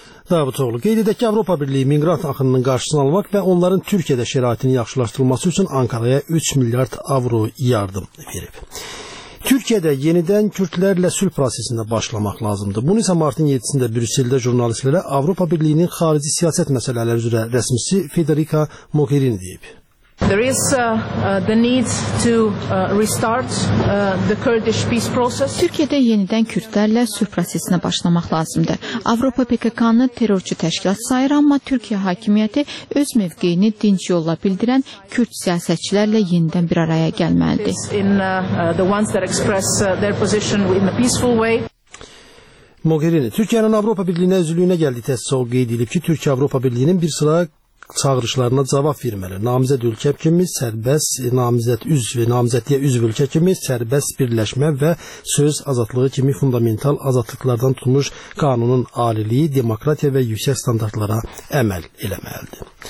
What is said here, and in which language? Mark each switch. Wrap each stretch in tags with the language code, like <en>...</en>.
<az>Davutoğlu, qeyd edək ki, Avropa Birliyi miqrant axınının qarşısını almaq və onların Türkiyədə şəraitini yaxşılaşdırılması üçün Ankara'ya 3 milyard avro yardım verib. Türkiyədə yenidən kürdlərlə sülh prosesində başlamaq lazımdır. Bunu isə martın 7-sində Brüsseldə jurnalistlərə Avropa Birliyinin xarici siyasət məsələləri üzrə rəsmisi Federica Mogherini deyib.</az> <en>There is the need to restart the Kurdish peace process.</en> <az>Türkiyədə yenidən kürdlərlə sülh prosesinə başlamaq lazımdır. Avropa PKK-nı terrorçu təşkilat sayır, amma Türkiyə hakimiyyəti öz mövqeyini dinç yolla bildirən kürd siyasətçilərlə yenidən bir araya gəlməlidir.</az> <en>In the ones that express their position in a peaceful way.</en> <az>Mogherini, Türkiyənin Avropa Birliyinə üzvlüyünə gəldiyi təsdiq qeyd edilib ki, Türkiyə Avropa Birliyinin bir sıra çağırışlarına cavab verməli. Namizəd ölkə kimi, sərbəst namizəd üzv, namizədliyə üzv ölkə kimi, sərbəst birləşmə və söz azadlığı kimi fundamental azadlıqlardan tutmuş qanunun aliliyi, demokratiya və yüksək standartlara əməl eləməlidir.</az>